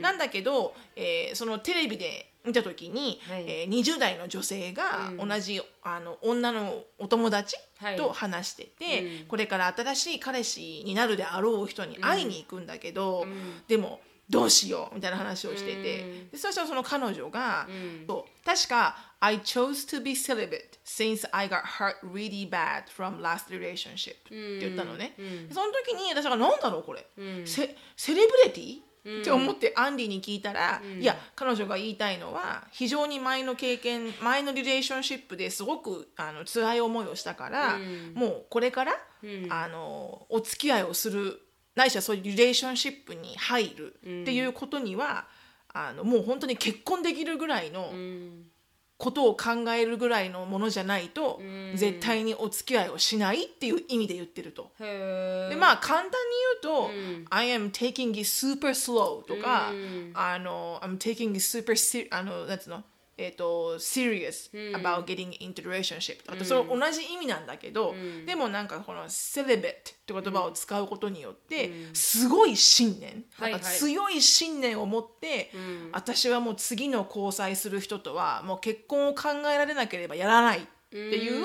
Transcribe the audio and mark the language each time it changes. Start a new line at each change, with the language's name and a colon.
Japanese: なんだけど、そのテレビで見た時に、はい、 20代の女性が同じ、うん、あの女のお友達と話してて、はい、これから新しい彼氏になるであろう人に会いに行くんだけど、うん、でもどうしようみたいな話をしてて、うん、でそしたらその彼女が、うん、確か
English: I chose to be celibate since I got hurt really bad from last relationship、
Japanese: うん、って言ったのね、うん、その時に私が何だろうこれ、うん、セレブレティって思ってアンディに聞いたら、うん、いや彼女が言いたいのは非常に前の経験前のリレーションシップですごくあの辛い思いをしたから、うん、もうこれから、うん、あのお付き合いをするないしはそういうリレーションシップに入るっていうことには、うん、あのもう本当に結婚できるぐらいの、うん、ことを考えるぐらいのものじゃないと、うん、絶対にお付き合いをしないっていう意味で言ってると。へで、まあ簡単に言うと、うん、
English: I am taking it super slow
Japanese: とか、うん、
English: あの I'm taking it super あの
Japanese: 何つうの
English: serious about getting into relationship、
Japanese: うん、あとそれ同じ意味なんだけど、うん、でもなんかこの celibate って言葉を使うことによって、うん、すごい信念、はいはい、なんか強い信念を持って、うん、私はもう次の交際する人とはもう結婚を考えられなければやらないっていう、